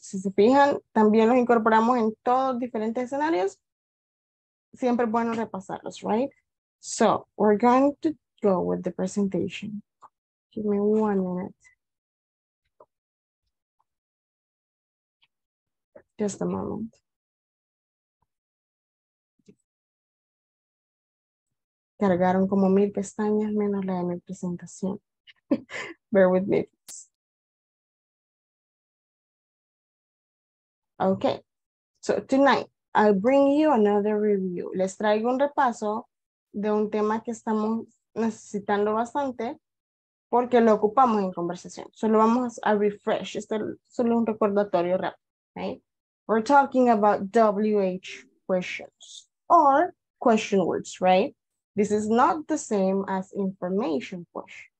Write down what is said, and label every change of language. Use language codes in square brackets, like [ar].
[es] Si se fijan, también los incorporamos en todos diferentes escenarios. Siempre es bueno repasarlos, right? [en] So, we're going to go with the presentation. Give me 1 minute. Just a moment. [es] Cargaron como 1,000 pestañas menos la de mi presentación. [en] Bear with me. Okay, so tonight I'll bring you another review. [es] Les traigo un repaso de un tema que estamos necesitando bastante porque lo ocupamos en conversación. Solo vamos a refresh. Esto es solo un recordatorio rápido. Okay? [en] We're talking about WH questions or question words, right? This is not the same as information questions.